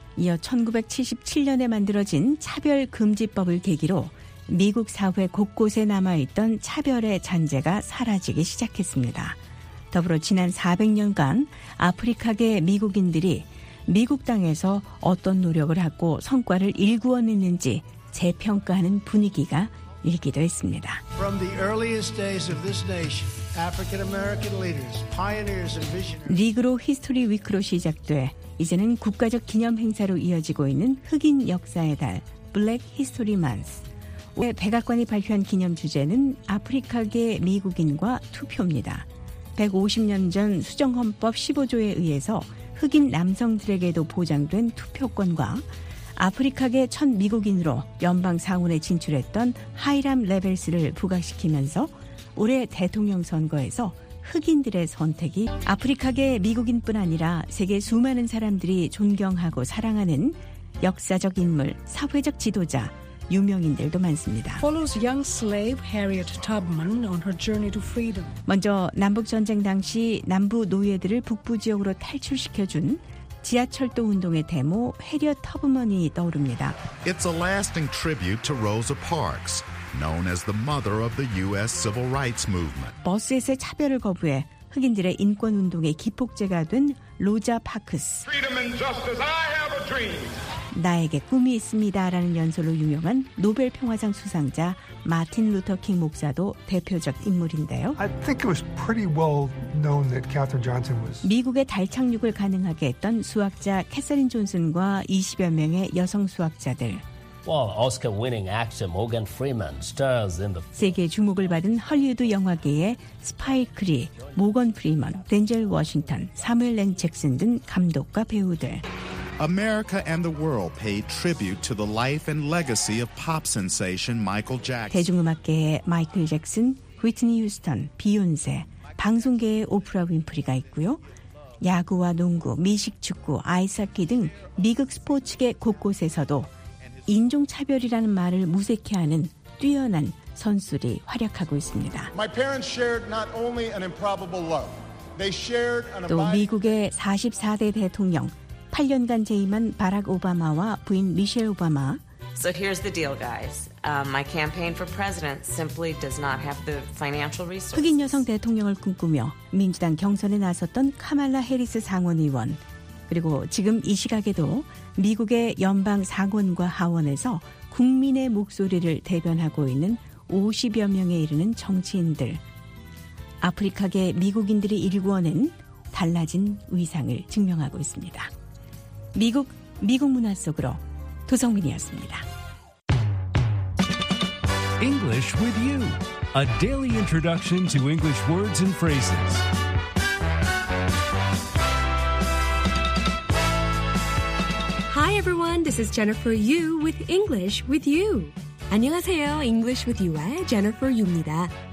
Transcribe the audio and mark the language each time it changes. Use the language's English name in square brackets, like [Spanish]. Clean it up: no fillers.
[Korean] 이어 1977년에 만들어진 차별금지법을 계기로 미국 사회 곳곳에 남아있던 차별의 잔재가 사라지기 시작했습니다. 더불어 지난 400년간 아프리카계 미국인들이 미국 땅에서 어떤 노력을 하고 성과를 일구어냈는지 재평가하는 분위기가 일기도 했습니다. [English] From the earliest days of this nation, African-American leaders, pioneers and visionaries. [Korean] 리그로 히스토리 위크로 시작돼 이제는 국가적 기념 행사로 이어지고 있는 흑인 역사의 달, Black History Month. 올해 백악관이 발표한 기념 주제는 아프리카계 미국인과 투표입니다. 150년 전 수정헌법 15조에 의해서 흑인 남성들에게도 보장된 투표권과 아프리카계 첫 미국인으로 연방 상원에 진출했던 하이람 레벨스를 부각시키면서 올해 대통령 선거에서 흑인들의 선택이 아프리카계 미국인뿐 아니라 세계 수많은 사람들이 존경하고 사랑하는 역사적 인물, 사회적 지도자, 유명인들도 많습니다. [English] Follows young slave Harriet Tubman on her journey to freedom. [Korean] 먼저 남북전쟁 당시 남부 노예들을 북부지역으로 탈출시켜준 지하철도 운동의 대모 해리엇 터브먼이 떠오릅니다. [English] It's a lasting tribute to Rosa Parks, known as the mother of the U.S. Civil Rights Movement. [Korean] 버스에서 차별을 거부해 흑인들의 인권 운동의 기폭제가 된 로자 파크스. [English] Freedom and justice, I have a dream. [Korean] 나에게 꿈이 있습니다라는 연설로 유명한 노벨 평화상 수상자 마틴 루터 킹 목사도 대표적 인물인데요. [English] I think it was pretty well known that Katherine Johnson was [Korean] 미국의 달 착륙을 가능하게 했던 수학자 캐서린 존슨과 20여 명의 여성 수학자들. [English] Well, Oscar-winning actor Morgan Freeman stars in the [Korean] 세계 주목을 받은 할리우드 영화계의 스파이크 리, 모건 프리먼, 덴젤 워싱턴, 사무엘 랭 잭슨 등 감독과 배우들. [English] America and the world pay tribute to the life and legacy of pop sensation Michael Jackson. [Korean] 대중음악계의 마이클 잭슨, 휘트니 휴스턴, 비욘세, 방송계의 오프라 윈프리가 있고요. 야구와 농구, 미식축구, 아이스하키 등 미국 스포츠계 곳곳에서도 인종차별이라는 말을 무색해하는 뛰어난 선수들이 활약하고 있습니다. [English] My parents shared not only an improbable love, they shared an [Korean] 또 미국의 44대 대통령 8년간 재임한 바락 오바마와 부인 미셸 오바마. [English] So here's the deal, guys. My campaign for president simply does not have the financial resources. [Korean] 흑인 여성 대통령을 꿈꾸며 민주당 경선에 나섰던 카말라 해리스 상원의원. 그리고 지금 이 시각에도 미국의 연방 상원과 하원에서 국민의 목소리를 대변하고 있는 50여 명에 이르는 정치인들. 아프리카계 미국인들이 일구어낸 달라진 위상을 증명하고 있습니다. 미국, 미국 문화 속으로 도성민이었습니다. [English] English with you. A daily introduction to English words and phrases. [Korean] 여러분, [English] this is Jennifer Yu with English with You. [Korean] 안녕하세요, English with You의 Jennifer Yu입니다.